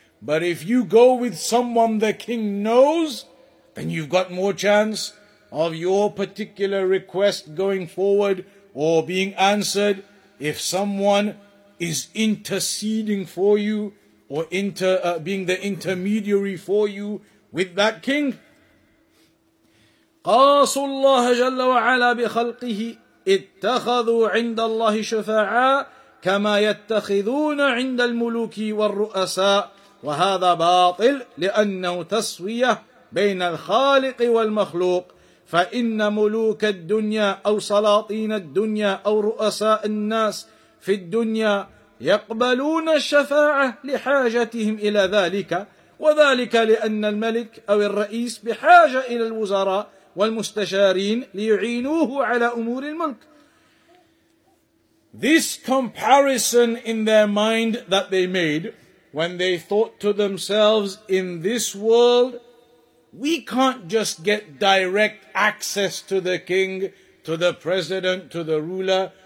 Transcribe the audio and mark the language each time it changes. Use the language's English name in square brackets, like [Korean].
[English] But if you go with someone the king knows, then you've got more chance of your particular request going forward or being answered if someone is interceding for you or being the intermediary for you with that king. [Arabic] قاصوا الله جل وعلا بخلقه اتخذوا عند الله شفعاء كما يتخذون عند الملوك والرؤساء وهذا باطل لأنه تسوية بين الخالق والمخلوق فإن ملوك الدنيا أو سلاطين الدنيا أو رؤساء الناس في الدنيا يقبلون الشفاعة لحاجتهم إلى ذلك وذلك لأن الملك أو الرئيس بحاجة إلى الوزراء والمستشارين ليعينوه على أمور الملك. [English] This comparison in their mind that they made when they thought to themselves, in this world, we can't just get direct access to the king, to the president, to the ruler.